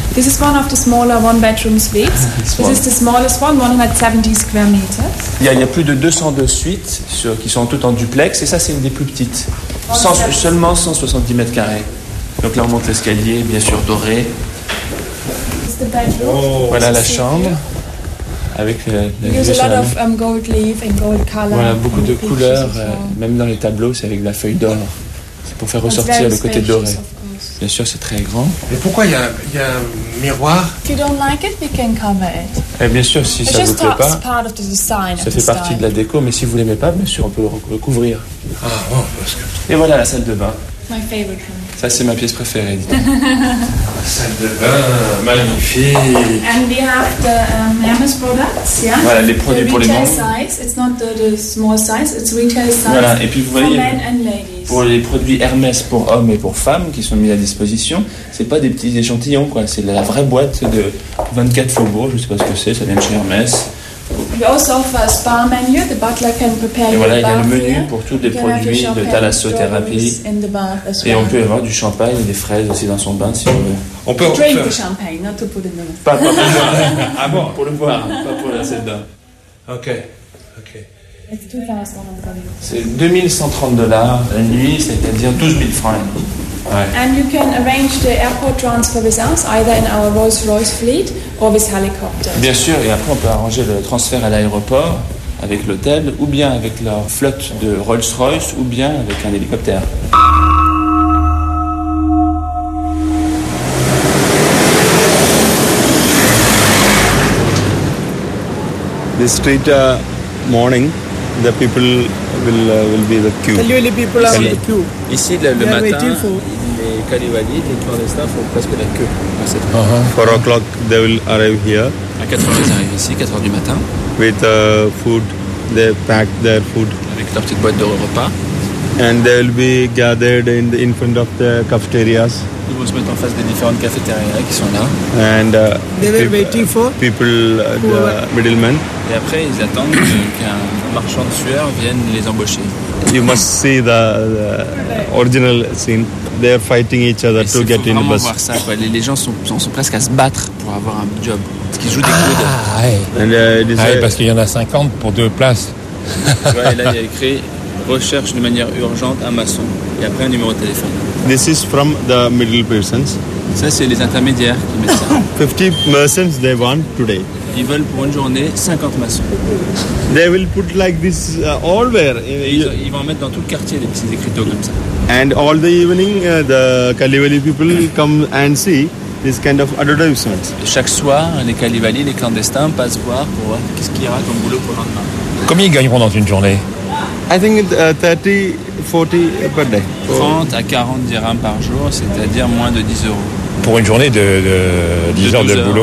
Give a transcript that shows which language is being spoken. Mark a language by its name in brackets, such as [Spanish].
[English] This is one of the smaller one-bedroom suites. This is the smallest one, 170 square meters. [French] Il y a plus de 202 suites qui sont toutes en duplex. Et ça, c'est une des plus petites. Seulement 170 mètres carrés. Donc là, on monte l'escalier, bien sûr, doré. [English] This is the bedroom. [French] Oh, voilà la chambre. Avec [English] gold leaf and gold color. [French] Voilà, beaucoup de couleurs. Même dans les tableaux, c'est avec de la feuille d'or. Pour faire ressortir le côté doré. Bien sûr, c'est très grand. Mais pourquoi il y a un miroir? [English] If you don't like it, we can cover it. [French] Et bien sûr, si [English] it [French] ça ne vous plaît pas, [English] part of the design, [French] ça fait partie de la déco, mais si vous ne l'aimez pas, bien sûr, on peut le couvrir. Ah, oh, parce que... Et voilà la salle de bain. [English] My favorite room. [French] Ça, c'est ma pièce préférée. La salle de bain, magnifique. [English] And we have the Hermes products, yeah. [French] Voilà, les produits pour les membres. [English] Retail size, it's not the small size, it's retail size. [French] Voilà, et puis vous voyez... [English] For men and ladies. [French] Pour les produits Hermès pour hommes et pour femmes qui sont mis à disposition, c'est pas des petits échantillons, quoi. C'est la vraie boîte de 24 faubourgs, je sais pas ce que c'est, ça vient de chez Hermès. [English] We also offer a spa menu, the butler can prepare [French] et voilà, il y a le menu here. Pour tous les produits de thalassothérapie. [English] Well. [French] Et on peut avoir du champagne et des fraises aussi dans son bain si on veut. On peut [English] drink the champagne, not to put in the [French] mouth. Pas pour le boire. Ah bon, pour le boire, pas pour la salle de bain. Ok, ok. C'est 2130 $ la nuit, c'est-à-dire 12 000 francs la nuit. Ouais. [English] And you can arrange the airport transfer with us either in our Rolls-Royce fleet or with helicopter. [French] Bien sûr, et après on peut arranger le transfert à l'aéroport avec l'hôtel ou bien avec leur flotte de Rolls-Royce ou bien avec un hélicoptère. [English] This street morning. The people will be the queue. Tell you the people are in the queue. [French] Ici, le matin, les Kalivadis, les clandestins font presque la queue à cette heure. [English] 4 o'clock, they will arrive here. [French] À 4 heures, ils arrivent ici, 4 heures du matin. [English] With food, they pack their food. [French] Avec leur petite boîte de repas. [English] And they will be gathered in front of the cafeterias. [French] Ils vont se mettre en face des différentes cafétérias qui sont là. [English] And they were waiting for people, the middlemen. [French] Et après, ils attendent qu'un marchand de sueur vienne les embaucher. [English] You must see the original scene. They are fighting each other to get in the bus. [French] Faut vraiment voir ça. Quoi. Les gens sont presque à se battre pour avoir un job. Parce qu'ils jouent des coudes. Parce qu'il y en a 50 pour deux places. Ouais, et là, il y a écrit recherche de manière urgente un maçon. Et après, un numéro de téléphone. [English] This is from the middle persons. [French] Ça, c'est les intermédiaires qui mettent ça. [English] 50 merchants they want today. [French] Ils veulent pour une journée 50 maçons. [English] They will put like this all where. [French] Ils vont mettre dans tout le quartier des petits écriteaux comme ça. [English] And all the evening, the Kalivali people come and see this kind of advertisement. [French] Chaque soir, les Kalivali, les clandestins, passent voir pour voir qu'est-ce qu'il y aura comme boulot pour le lendemain. Combien ils gagneront dans une journée? [English] I think 30, 40 per day. [French] 30 à 40 dirhams par jour, c'est-à-dire moins de 10 euros. Pour une journée de 10 heures de boulot,